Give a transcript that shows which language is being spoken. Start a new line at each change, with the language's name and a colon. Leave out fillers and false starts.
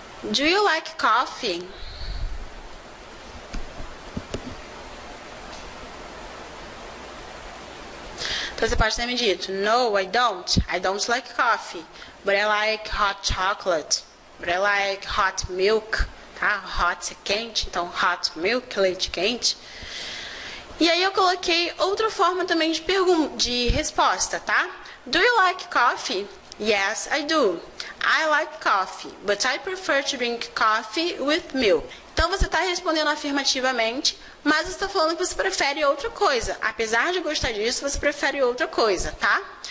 English: Do you like coffee?
Portuguese: Então você pode ter me dito,
English: no, I don't. I don't like coffee, but I like hot chocolate. But I like hot milk. Tá?
Portuguese: Hot é quente, então hot milk, leite quente. E aí eu coloquei outra forma também de resposta, tá?
English: Do you like coffee? Yes, I do. I like coffee, but I prefer to drink coffee with milk.
Portuguese: Então você está respondendo afirmativamente, mas você está falando que você prefere outra coisa. Apesar de gostar disso, você prefere outra coisa, tá?